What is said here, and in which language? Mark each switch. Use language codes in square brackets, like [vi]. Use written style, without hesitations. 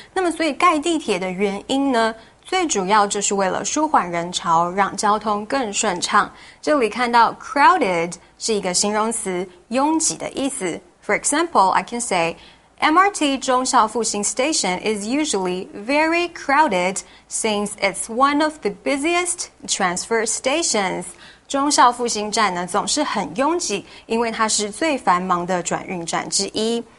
[zh] 那么所以盖地铁的原因呢最主要就是为了舒缓人潮让交通更顺畅。这里看到 crowded 是一个形容词拥挤的意思。 [en] For example, I can say, MRT 忠孝复兴 station is usually very crowded since it's one of the busiest transfer stations. [zh] 忠孝复兴站呢总是很拥挤因为它是最繁忙的转运站之一。